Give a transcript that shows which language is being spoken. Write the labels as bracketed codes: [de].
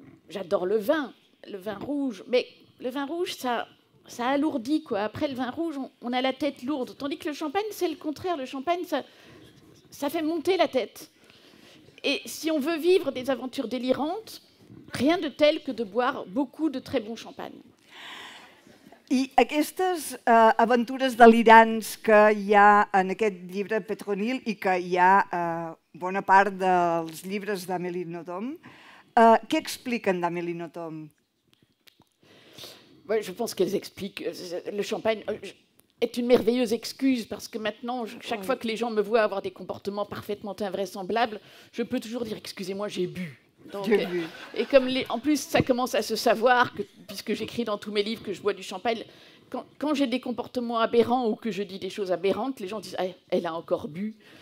[fr] J'adore le vin rouge, mais le vin rouge, ça alourdit, quoi. Après le vin rouge, on a la tête lourde. Tandis que le champagne, c'est le contraire. Le champagne, ça fait monter la tête. Et si on veut vivre des aventures délirantes, Rien de tel que de boire beaucoup de très bon champagne. [ca] I aquestes aventures delirants que hi ha en aquest llibre Petronil i que hi ha bona part dels llibres d'Amélie Nothomb, què expliquen d'Amélie Nothomb? [fr] Ouais, je pense qu'elles expliquent le champagne est une merveilleuse excuse parce que maintenant, chaque fois que les gens me voient avoir des comportements parfaitement invraisemblables, je peux toujours dire excusez-moi, j'ai bu. Donc, j'ai bu. Et comme en plus, ça commence à se savoir, que, puisque j'écris dans tous mes livres que je bois du champagne, quand j'ai des comportements aberrants ou que je dis des choses aberrantes, les gens disent ah, elle a encore bu.